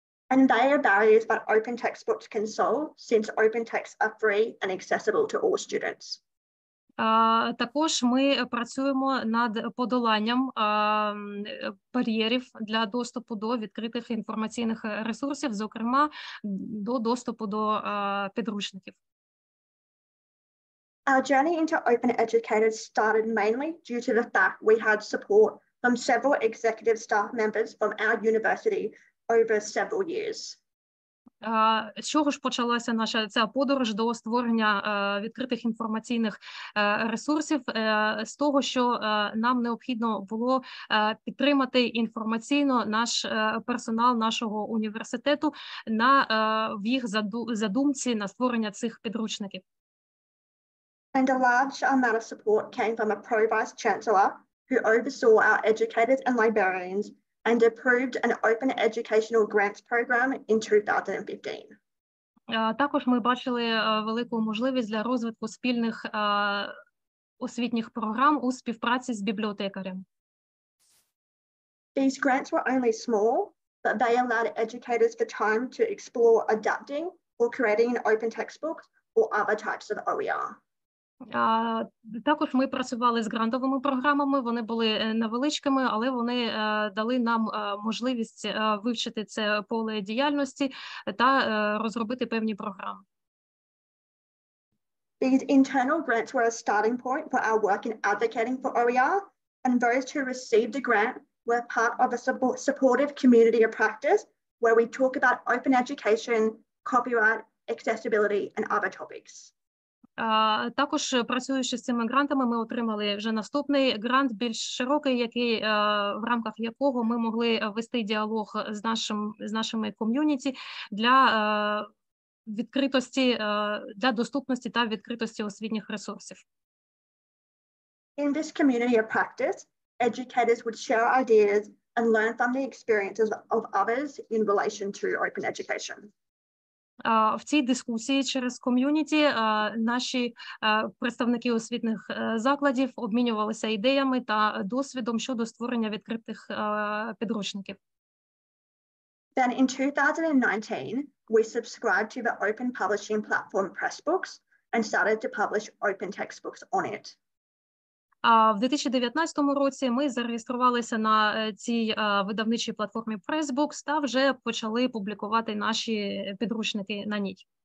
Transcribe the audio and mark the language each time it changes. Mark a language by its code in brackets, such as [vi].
[en] And they are barriers that open textbooks can solve, since open texts are free and accessible to all students. [uk] Також ми працюємо над подоланням бар'єрів для доступу до відкритих інформаційних ресурсів, зокрема, до доступу до підручників. [en] Our journey into open educators started mainly due to the fact we had support from several executive staff members from our university over several years. [uk] З чого ж почалася наша ця подорож до створення відкритих інформаційних ресурсів? З того, що нам необхідно було підтримати інформаційно наш персонал нашого університету на в їх задумці на створення цих підручників. [en] And a large amount of support came from a pro vice chancellor who oversaw our educators and librarians and approved an open educational grants program in 2015. [uk] Також ми бачили велику можливість для розвитку спільних освітніх програм у співпраці з бібліотекарем. [en] These grants were only small, but they allowed educators the time to explore adapting or creating an open textbook or other types of OER. [uk] Також ми працювали з грантовими програмами, вони були невеличкими, але вони дали нам можливість вивчити це поле діяльності та розробити певні програми. [en] These internal grants were a starting point for our work in advocating for OER, and those who received a grant were part of a supportive community of practice where we talk about open education, copyright, accessibility, and other topics. [uk] Також працюючи з цими грантами, ми отримали вже наступний грант, більш широкий, який в рамках якого ми могли вести діалог з нашими ком'юніті для відкритості, для доступності та відкритості освітніх ресурсів. [en] In this community of practice, educators would share ideas and learn from the experiences of others in relation to open education. [uk] В цій дискусії через ком'юніті наші представники освітніх закладів обмінювалися ідеями та досвідом щодо створення відкритих підручників. [en] Then in 2019, we subscribed to the open publishing platform Pressbooks and started to publish open textbooks on it. [uk] А в 2019 році ми зареєструвалися на цій видавничій платформі Pressbooks та вже почали публікувати наші підручники на ній.